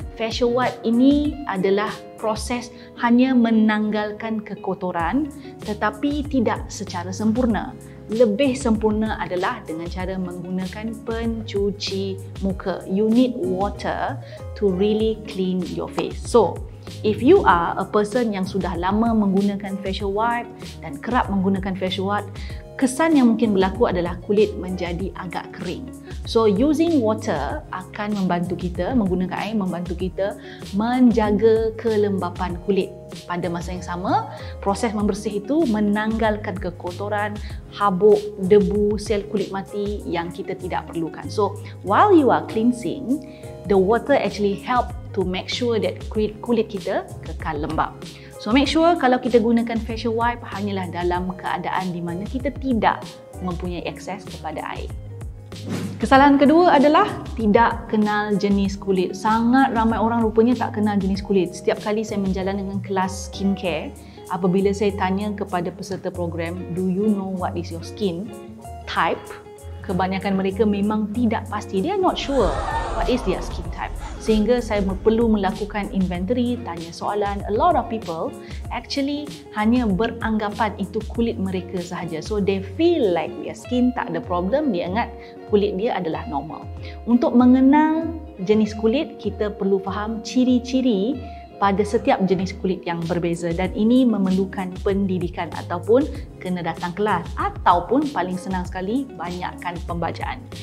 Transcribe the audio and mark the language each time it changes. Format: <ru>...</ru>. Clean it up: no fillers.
<ms>Facial wipe ini adalah proses hanya menanggalkan kekotoran tetapi tidak secara sempurna. Lebih sempurna adalah dengan cara menggunakan pencuci muka.</ms> <en>You need water to really clean your face. So, if you are a person</en> <ms>yang sudah lama menggunakan facial wipe dan kerap menggunakan facial wipe, kesan yang mungkin berlaku adalah kulit menjadi agak kering.</ms> <en>So, using water</en> <ms>akan membantu kita, menggunakan air membantu kita menjaga kelembapan kulit. Pada masa yang sama, proses membersih itu menanggalkan kekotoran, habuk, debu, sel kulit mati yang kita tidak perlukan.</ms> <en>So, while you are cleansing, the water actually help to make sure that</en> <ms>kulit kita kekal lembap.</ms> <en>So make sure</en> <ms>kalau kita gunakan facial wipe hanyalah dalam keadaan di mana kita tidak mempunyai akses kepada air. Kesalahan kedua adalah tidak kenal jenis kulit. Sangat ramai orang rupanya tak kenal jenis kulit. Setiap kali saya menjalan dengan kelas skincare, apabila saya tanya kepada peserta program,</ms> <en>"Do you know what is your skin type?"</en> <ms>Kebanyakan mereka memang tidak pasti.</ms> <en>They are not sure what is their skin type.</en> <ms>Sehingga saya perlu melakukan inventory, tanya soalan.</ms> <en>A lot of people actually</en> <ms>hanya beranggapan itu kulit mereka sahaja.</ms> <en>So they feel like their skin</en> <ms>tak ada</ms> <en>problem.</en> <ms>Dia ingat kulit dia adalah normal. Untuk mengenal jenis kulit, kita perlu faham ciri-ciri pada setiap jenis kulit yang berbeza, dan ini memerlukan pendidikan ataupun kena datang kelas ataupun paling senang sekali banyakkan pembacaan.</ms>